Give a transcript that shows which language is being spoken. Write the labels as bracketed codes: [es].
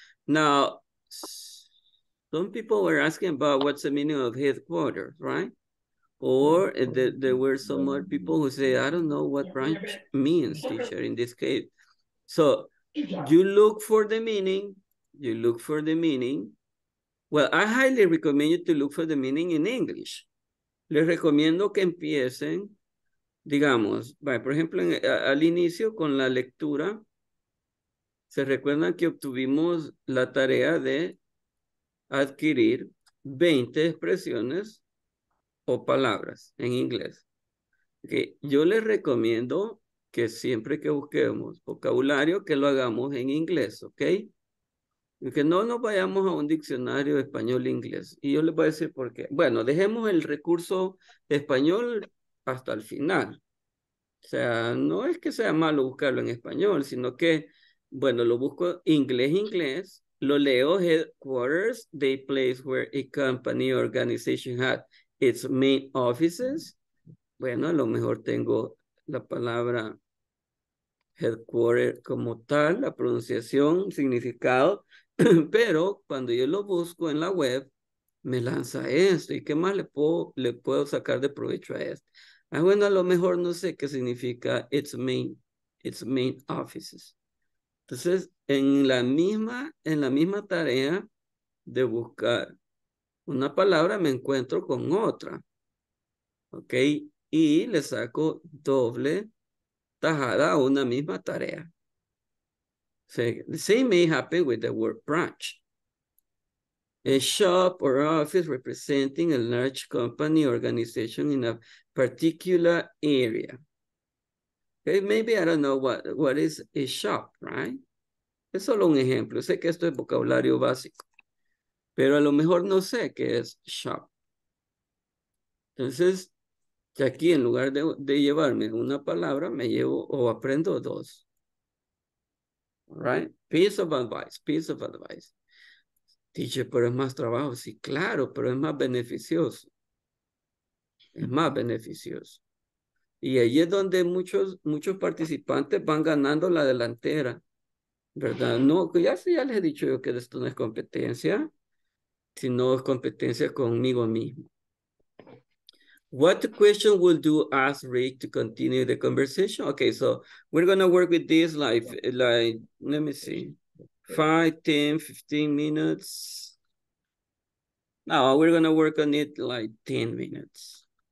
[en] Now, some people were asking about what's the meaning of headquarters, right? Or there were some more people who say, I don't know what branch means, teacher, in this case. So you look for the meaning. You look for the meaning. Well, I highly recommend you to look for the meaning in English. [es] Les recomiendo que empiecen, digamos, by, por ejemplo, al inicio con la lectura. Se recuerdan que obtuvimos la tarea de adquirir 20 expresiones o palabras en inglés. Okay. Yo les recomiendo que siempre que busquemos vocabulario, que lo hagamos en inglés, ¿ok? Que no nos vayamos a un diccionario español-inglés. Y yo les voy a decir por qué. Bueno, dejemos el recurso español hasta el final. O sea, no es que sea malo buscarlo en español, sino que, bueno, lo busco inglés-inglés. Lo leo, [en] headquarters, the place where a company or organization had its main offices. [es] Bueno, a lo mejor tengo la palabra headquarters como tal, la pronunciación, significado. Pero cuando yo lo busco en la web, me lanza esto. ¿Y qué más le puedo sacar de provecho a esto? Ah, bueno, a lo mejor no sé qué significa [en] its main offices. [es] Entonces, en la misma tarea de buscar una palabra, me encuentro con otra. ¿Ok? Y le saco doble tajada a una misma tarea. [en] So, the same may happen with the word branch. A shop or office representing a large company organization in a particular area. Okay, maybe I don't know what is a shop, right? [es] Es solo un ejemplo. Sé que esto es vocabulario básico. Pero a lo mejor no sé qué es shop. Entonces, aquí en lugar de llevarme una palabra, me llevo o aprendo dos. [en] Right? Piece of advice, piece of advice. Teacher, [es] pero es más trabajo. Sí, claro, pero es más beneficioso. Es más beneficioso. Y ahí es donde muchos participantes van ganando la delantera. ¿Verdad? No, ya les he dicho yo que esto no es competencia, sino es competencia conmigo mismo. [en] What question will do ask Rick to continue the conversation? Okay, so we're going to work with this like, let me see. 5, 10, 15 minutes. No, we're going to work on it like 10 minutes.